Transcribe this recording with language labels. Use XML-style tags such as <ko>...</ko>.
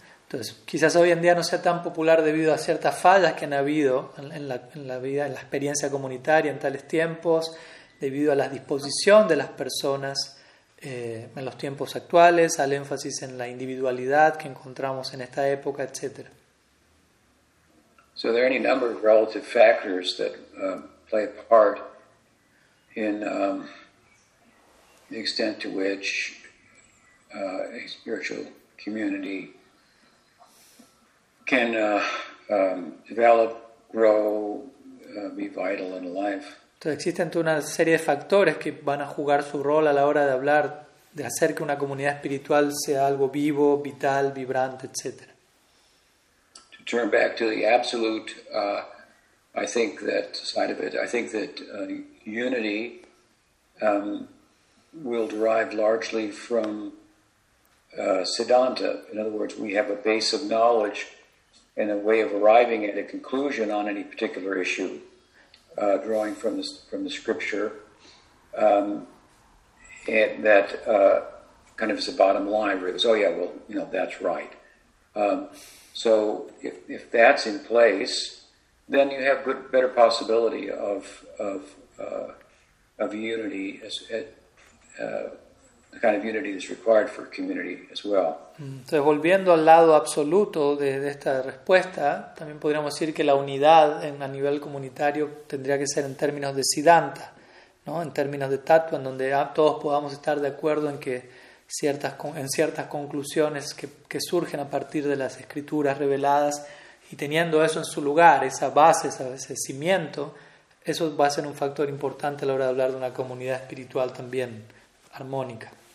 <es>Entonces, quizás hoy en día no sea tan popular debido a ciertas fallas que han habido en la vida, en la experiencia comunitaria en tales tiempos, debido a la disposición de las personas en los tiempos actuales, al énfasis en la individualidad que encontramos en esta época, etc.</es> <en>So there are any number of relative factors that play a part in the extent to which a spiritual community can develop, grow, be vital and alive. Entonces existen toda una serie de factores que van a jugar su rol a la hora de hablar, de hacer que una comunidad espiritual sea algo vivo, vital, vibrante, etc. To turn back to the absolute, I think that side of it, I think that unity will derive largely from Siddhanta. In other words, we have a base of knowledge and a way of arriving at a conclusion on any particular issue, drawing from the scripture, kind of is the bottom line, where it goes, oh yeah, well, you know, that's right. So if that's in place, then you have better possibility of unity, the kind of unity that's required for community as well.</en> <es>Entonces, volviendo al lado absoluto de esta respuesta, también podríamos decir que la unidad a nivel comunitario tendría que ser en términos de Siddhanta, ¿no? En términos de Tattva, en donde todos podamos estar de acuerdo en que ciertas conclusiones que surgen a partir de las escrituras reveladas, y teniendo eso en su lugar, esa base, ese cimiento, eso va a ser un factor importante a la hora de hablar de una comunidad espiritual también armónica.</es>